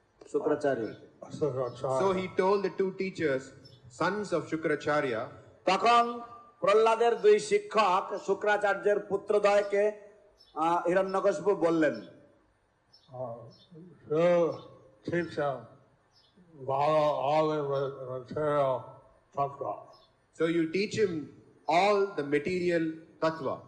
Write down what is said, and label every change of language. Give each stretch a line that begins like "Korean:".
English: So he told the two teachers, sons of Shukracharya.
Bangla: তখন প্রহ্লাদের দুই শিক্ষক শুক্রাচার্যের পুত্রদ্বয়কে হিরণ্যকশিপু বললেন.
English: So teach him all the material tattva. So you teach him all the material tattva.